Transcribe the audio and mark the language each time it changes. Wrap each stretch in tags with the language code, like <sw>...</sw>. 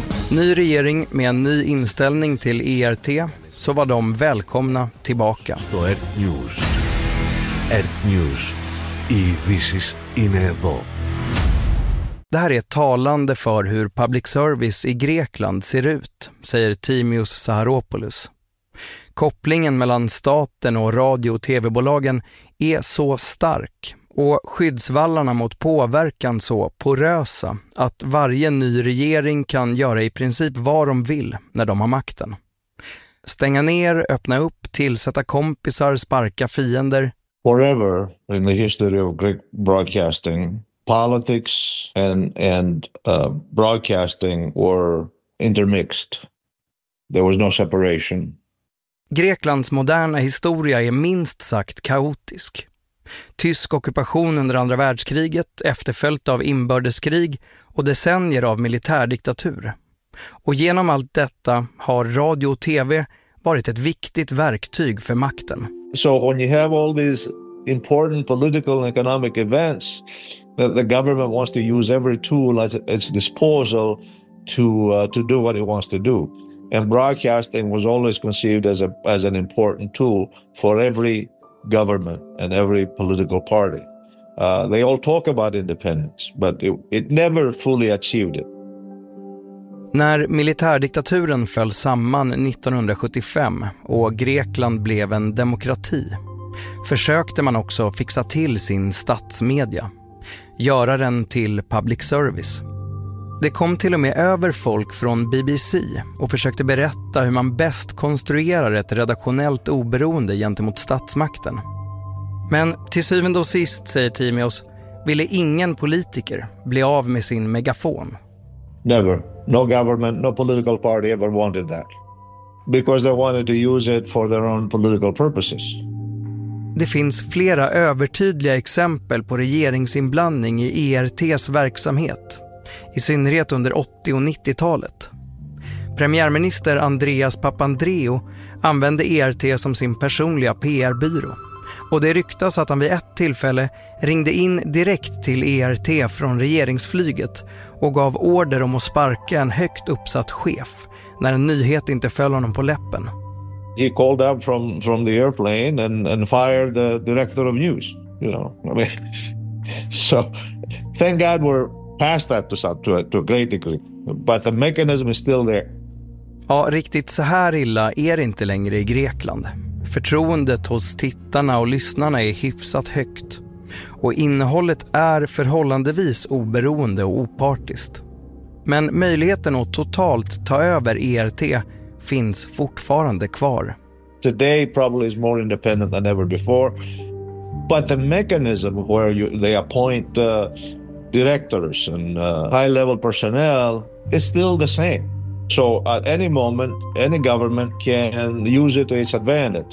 <sv>Ny regering med en ny inställning till ERT, så var de välkomna tillbaka. Stå ert news. Ert news. Ivisis inedo. Det här är talande för hur public service i Grekland ser ut, säger Timios Saharopoulos. Kopplingen mellan staten och radio- och tv-bolagen är så stark och skyddsvallarna mot påverkan så porösa att varje ny regering kan göra i princip vad de vill när de har makten. Stänga ner, öppna upp, tillsätta kompisar, sparka fiender.</sv> <en>Forever in the history of Greek broadcasting, politics and broadcasting were intermixed. There was no separation.</en> <sv>Greklands moderna historia är minst sagt kaotisk. Tysk ockupation under andra världskriget, efterföljt av inbördeskrig och decennier av militärdiktatur. Och genom allt detta har radio och TV varit ett viktigt verktyg för makten.</sv> <en>So when you have all these important political and economic events, the government wants to use every tool at its disposal to do what it wants to do. And broadcasting was always conceived as an important tool for every government and every political party. They all talk about independence, but it never fully achieved it.</en> <sv>När militärdiktaturen föll samman 1975 och Grekland blev en demokrati, försökte man också fixa till sin statsmedia, göra den till public service. Det kom till och med över folk från BBC och försökte berätta hur man bäst konstruerar ett redaktionellt oberoende gentemot statsmakten. Men till syvende och sist, säger Timios, ville ingen politiker bli av med sin megafon.</sv> <en>Never. No government, no political party ever wanted that. Because they wanted to use it for their own political purposes.</en> <sv>Det finns flera övertydliga exempel på regeringsinblandning i ERTs verksamhet, i synnerhet under 80- och 90-talet. Premiärminister Andreas Papandreou använde ERT som sin personliga PR-byrå. Och det ryktas att han vid ett tillfälle ringde in direkt till ERT från regeringsflyget och gav order om att sparka en högt uppsatt chef när en nyhet inte föll honom på läppen.</sv> <en>He called up from the airplane and fired the director of news. You know, I mean, so thank God we're past that to a great degree. But the mechanism is still there.</en> <sv>Ja, riktigt så här illa är det inte längre i Grekland. Förtroendet hos tittarna och lyssnarna är hyfsat högt. Och innehållet är förhållandevis oberoende och opartiskt. Men möjligheten att totalt ta över ERT finns fortfarande kvar.</sv> <en>Today probably is more independent than ever before, but the mechanism where they appoint directors and high-level personnel is still the same. So at any moment, any government can use it to its advantage.</en>